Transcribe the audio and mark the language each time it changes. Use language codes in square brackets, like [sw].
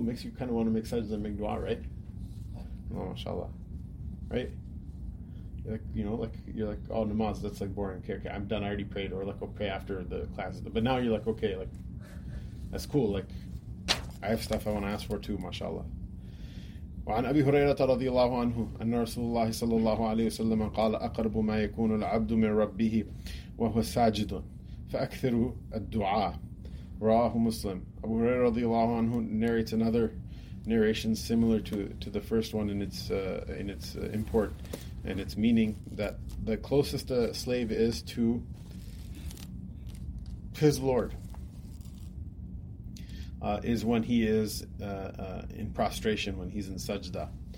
[en] Makes you kind of want to make sajda and make dua, right? Oh, mashallah. Right? Like, you know, like, you're like, oh, namaz, that's, like, boring. Okay, I'm done. I already prayed. Or, like, I'll pray after the class. But now you're like, okay, like, that's cool. Like, I have stuff I want to ask for too, mashallah. [ar] وعن أبي هريرة رضي الله عنه أن رسول الله صلى الله عليه وسلم قال أقرب ما يكون العبد من ربه وهو ساجد فأكثر الدعاء رواه مسلم. أبو هريرة رضي الله عنه [en] narrates another narration similar to the first one in its import and its meaning, that the closest a slave is to his Lord is when he is in prostration, when he's in sajda.